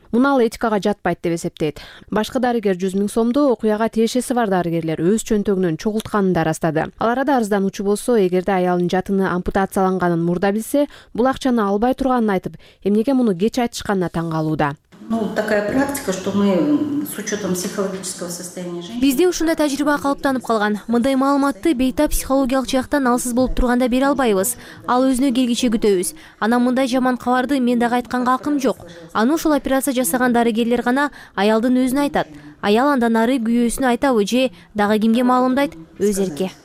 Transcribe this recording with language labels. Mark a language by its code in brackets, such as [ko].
[ky] Муну ал этикага жатпайт деп эсептейт. Башка дарыгер 100,000 сомду окуяга тиешеси бар дарыгерлер өз чөнтөгүнөн чогултканын да ырастады. Ал арада арызданучу болсо, эгерде аялынын жатыны ампутацияланганын мурда билсе, бул акчаны албай турганын айтып, эмнеге муну кеч айтышканына таң калууда. [ru] Такая практика, что мы с учетом психологического состояния женщины. [ky] Бизде ушундай тажрыйба калыптанып калган. Мындай маалыматты бейтап психологиялык жактан алсыз болуп турганда бере албайбыз. Ал өзүнө келгиче күтөбүз. Анан мындай жаман кабарды мен дагы айтканга акым жок. Аны ушул операция жасаган дарыгерлер гана аялдын өзүнө айтат. Аял андан ары күйөөсүнө айтабы же дагы кимге маалымдайт өз эрке.